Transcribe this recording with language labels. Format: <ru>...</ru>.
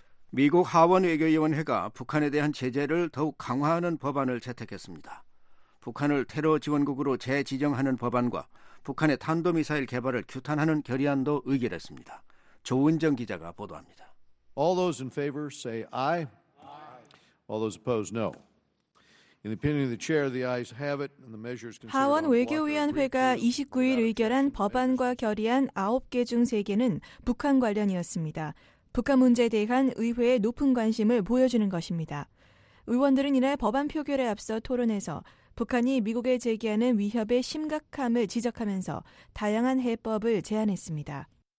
<ko>미국 하원 외교위원회가 북한에 대한 제재를 더욱 강화하는 법안을 채택했습니다. 북한을 테러 지원국으로 재지정하는 법안과 북한의 탄도미사일 개발을 규탄하는 결의안도 의결했습니다. 조은정 기자가 보도합니다.</ko> <en>All those in favor say aye. Aye. All those opposed, no. In the opinion of the chair, the ayes have it, and the measures.</en> <ko>하원 외교위원회가 29일 의결한 법안과 결의안 9개 중 3개는 북한 관련이었습니다. 북한 문제에 대한 의회의 높은 관심을 보여주는 것입니다. 의원들은 이날 법안 표결에 앞서 토론에서 북한이 미국에 제기하는 위협의 심각함을 지적하면서 다양한 해법을 제안했습니다.</ko>